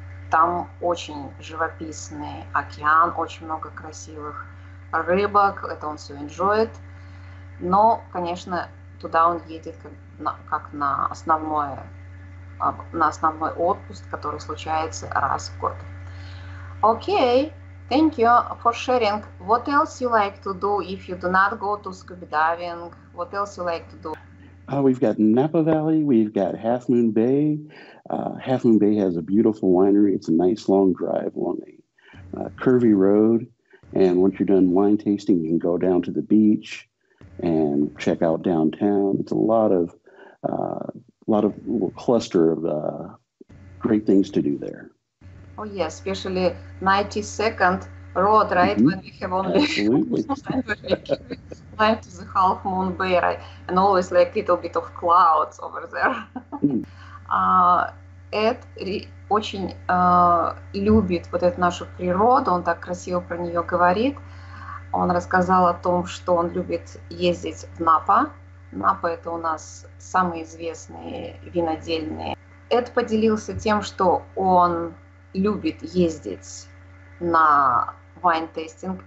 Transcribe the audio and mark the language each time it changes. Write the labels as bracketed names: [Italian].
[Russian] Там очень живописный океан, очень много красивых рыбок, это он все enjoyed. Но, конечно, туда он едет как на основной отпуск, который случается раз в год. [English] Okay, thank you for sharing. What else you like to do if you do not go to scuba diving? What else you like to do? We've got Napa Valley, we've got Half Moon Bay. Half Moon Bay has a beautiful winery. It's a nice long drive along a curvy road. And once you're done wine tasting, you can go down to the beach and check out downtown. It's a lot of little cluster of great things to do there. Oh, yeah, especially 92nd Road, right? Mm-hmm. When we have only climb to the Half Moon Bay, right? And always like a little bit of clouds over there. [Russian] Эд очень любит вот эту нашу природу, он так красиво про нее говорит. Он рассказал о том, что он любит ездить в Напа. Напа — это у нас самые известные винодельные. Эд поделился тем, что он любит ездить на wine tasting.